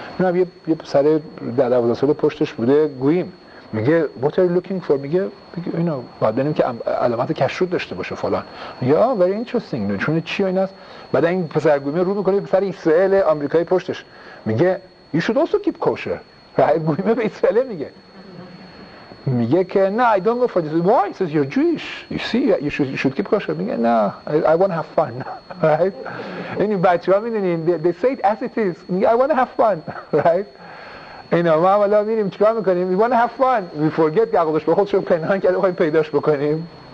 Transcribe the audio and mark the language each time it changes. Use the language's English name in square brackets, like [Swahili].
[Persian] اینا یه پسر در 12 ساله پشتش بوده گوییم میگه [English] what are you looking for؟ [Persian] میگه اینا بعد بینیم که علامت کشروت داشته باشه فلان. یا very interesting چونه چی این هست؟ بعد این پسر گوییم رو میکنه یه پسر اسرائیل آمریکایی پشتش میگه [English] you should also keep kosher. [Persian] رایت. گوییم به اسرائیل میگه میگه که نه [English] I don't go for this. Why? He says you're Jewish. You see, you should keep kosher. [Persian] میگه نه [English] I want to have fun. Right? [Persian] این بچه ها میدونین [English] they say it as it is. میگه I want to have fun. Right? [Persian] اینا ما حالا میریم چیکار میکنیم؟ [English] We want to have fun. We forget [Persian] که عقدش به خودشون پنهان کرده بخواییم پیداش بکنیم.